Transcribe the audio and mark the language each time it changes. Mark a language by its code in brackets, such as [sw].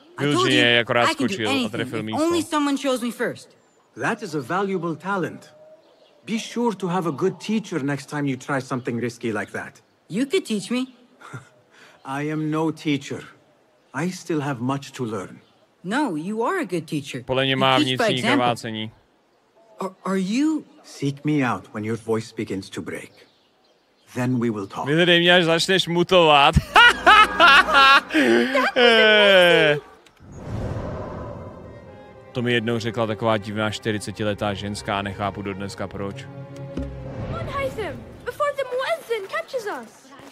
[cs] Vyloženě, akorát skočil a trefil místo. [en] Only someone shows me first. That is a valuable talent. Be sure to have a good teacher next time you try something risky like that. You could teach me. I am no teacher. I still have much to learn. No, you are a good teacher. [cs] Podle mě má vnitřní krvácení. [en] Are you? Seek me out when your voice begins to break. Then we will talk. [cs] Vyhledej mě, až začneš mutovat. To mi jednou řekla taková divná 40letá ženská a nechápu do dneska proč. [en] On Haytham, before the Muezzin catches us.